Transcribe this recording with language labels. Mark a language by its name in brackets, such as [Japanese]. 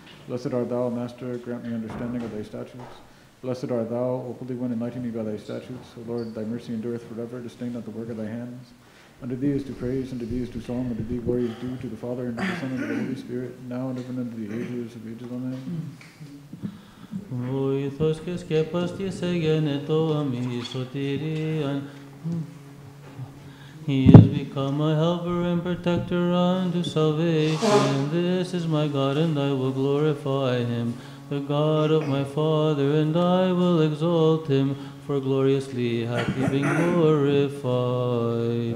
[English] Blessed art thou, Master, grant me understanding of thy statutes. Blessed art thou, O Holy One, enlighten me by thy statutes. O Lord, thy mercy endureth forever, disdain not the work of thy hands. Unto thee is due praise, unto thee is due song, unto thee glory is due to the Father, and to the Son, and to the Holy Spirit, now and ever and unto the ages of ages, amen. [Greek] Βοήθος και σκεπαστής εγένετο αμή σωτηρίαν. [English] He has become my helper and protector unto salvation. This is my God, and I will glorify him. The God of my Father, and I will exalt him. For gloriously hath he been glorified.